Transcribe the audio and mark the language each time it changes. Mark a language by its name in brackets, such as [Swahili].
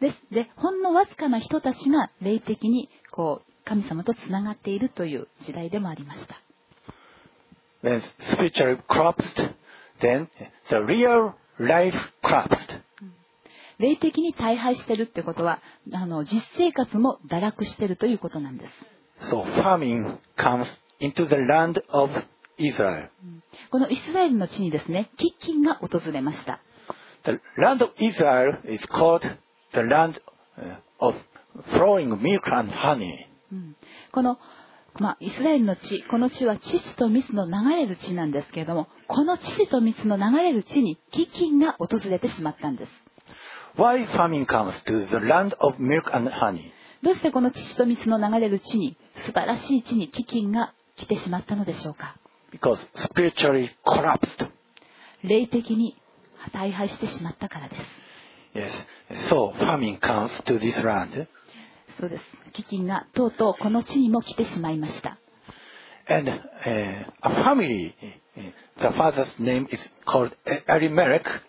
[Japanese] で、ほんのわずかな人たちが霊的にこう神様とつながっているという時代でもありました。 [English] When spiritually corrupt, then the real life collapsed. [Japanese] 霊的に大敗してるってことは、実生活も堕落してるということなんです。 [English] So famine comes into the land of Israel. [Japanese] このイスラエルの地にですね、飢饉が訪れました。 [English] The land of Israel is called the land of flowing milk and honey. [Japanese] この、イスラエルの地、この地は乳と蜜の流れる地なんですけれども、この乳と蜜の流れる地に飢饉が訪れてしまったんです。 [English] Why famine comes to the land of milk and honey? [Japanese] どうしてこの乳と蜜の流れる地に、素晴らしい地に飢饉が来てしまったのでしょうか? [English] Because spiritually collapsed. [Japanese] 霊的に大敗してしまったからです。 [English] Yes, so famine comes to this land. [Japanese] そうです。飢饉がとうとうこの地にも来てしまいました。 [English] And a family, the father's name is called Elimelech.